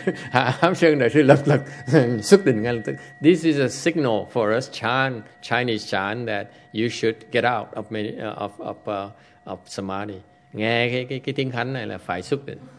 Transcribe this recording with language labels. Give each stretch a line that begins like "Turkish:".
Vietnamese: Han Shan đại sư lập lập xuất định ngay lập tức.
English: This is a signal for us, Chan, Chinese Chan, that you should get out of samadhi.
Vietnamese: Nghe cái tiếng khánh này là phải xuất định.